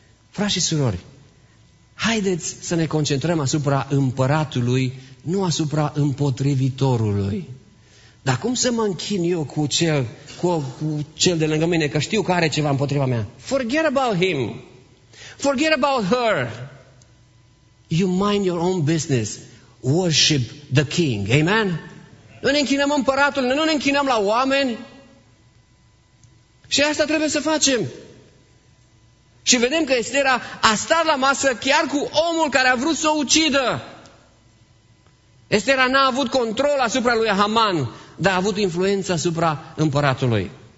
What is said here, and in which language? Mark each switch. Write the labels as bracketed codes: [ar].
[ro] Frați și surori, haideți să ne concentrăm asupra împăratului, nu asupra împotrivitorului. Dar cum să mă închin eu cu cel de lângă mine, că știu că are ceva împotriva mea? [en] Forget about him. Forget about her. You mind your own business. Worship the king. Amen? [ro] Nu ne închinăm împăratul, nu ne închinăm la oameni. Și asta trebuie să facem. Și vedem că Estera a stat la masă chiar cu omul care a vrut să o ucidă. Estera n-a avut control asupra lui Haman, dar a avut influență asupra împăratului.